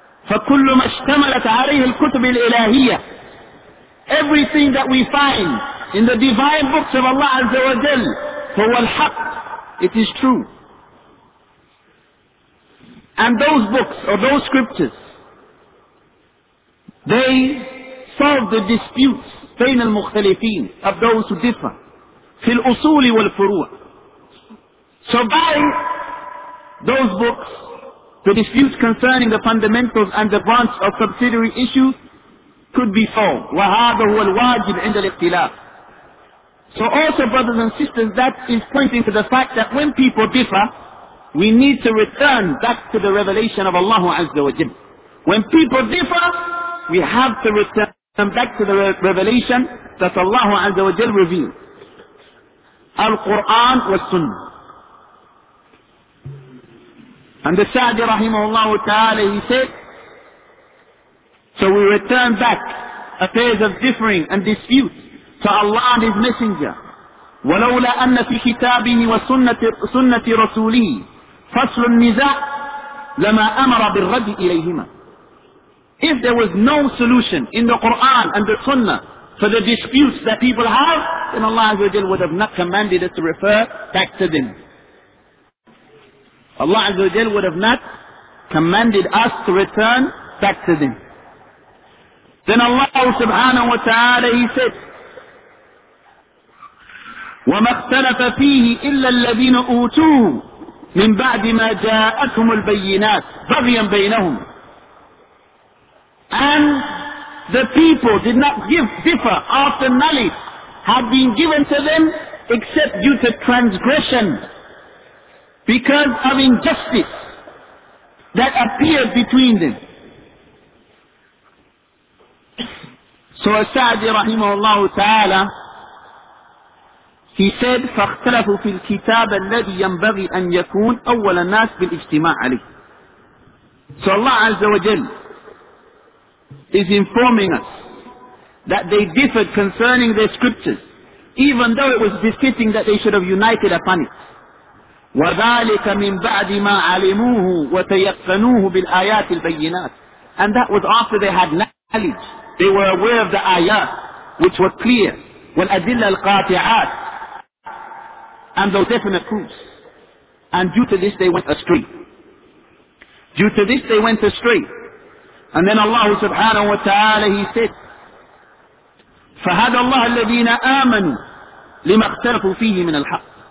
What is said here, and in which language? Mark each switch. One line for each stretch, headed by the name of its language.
Arabic: فَكُلُّ مَا اشْتَمَلَتْ عَلَيْهِ الْكُتُبِ الْإِلَهِيَّةِ,
English: everything that we find in the divine books of Allah Azza wa Jal,
Arabic: فَوَ الْحَقِّ,
English: it is true. And those books or those scriptures, they solve the disputes
Arabic: بين المختلفين
English: of those who differ
Arabic: في الأصول والفروع.
English: So by those books, the disputes concerning the fundamentals and the branch of subsidiary issues could be solved.
Arabic: وهذا هو الواجب عند الاختلاف.
English: So also, brothers and sisters, that is pointing to the fact that when people differ, we need to return back to the revelation of Allah Azza wa Jalla. When people differ, we have to return back to the revelation that Allah Azza wa Jalla revealed.
Arabic: Al-Qur'an wa Sunnah.
English: And the Sa'di rahimahullah ta'ala, he said, so we return back affairs of differing and dispute to Allah and His Messenger.
Arabic: ولولا أن في كتابه وسنة رسوله فصل النزاع لما أمر بالرد إليهما.
English: If there was no solution in the Quran and the Sunnah for the disputes that people have, then Allah Azza wa Jalla would have not commanded us to refer back to them. Allah Azza wa Jalla would have not commanded us to return back to them.
Arabic: Then Allah Subhanahu wa Taala,
English: He said,
Arabic: وَمَا اخْتَلَفَ فِيهِ إِلَّا الَّذِينَ أُوتُوهُ مِنْ بَعْدِ مَا جَاءَتْهُمُ الْبَيِّنَاتِ بَغْيًا بَيْنَهُمْ.
English: And the people did not differ after knowledge had been given to them except due to transgression because of injustice that appeared between them.
Arabic: So As-Sa'di رحمه الله تعالى,
English: he said,
Arabic: فَاخْتَلَفُوا فِي الْكِتَابَ الَّذِي يَنْبَغِي أَنْ يَكُونَ أَوَّلَ النَّاسِ بِالْإِجْتِمَاعِ عَلِيهِ.
English: So Allah Azza wa Jal is informing us that they differed concerning their scriptures, even though it was befitting that they should have united upon it.
Arabic: وَذَلِكَ مِنْ بَعْدِ مَا عَلِمُوهُ وَتَيَقَّنُوهُ بِالْآيَاتِ الْبَيِّنَاتِ.
English: And that was after they had knowledge. They were aware of the ayat, which were clear.
Arabic: وَالْأَدِلَّ الْقَاطِعَاتِ.
English: And those definite proofs. And due to this they went astray. Due to this they went astray. And then Allah subhanahu wa ta'ala, He said,
Arabic: فَهَدَى اللَّهَ الَّذِينَ آمَنُوا لِمَا اخْتَلَفُوا فِيهِ مِنَ الْحَقِّ.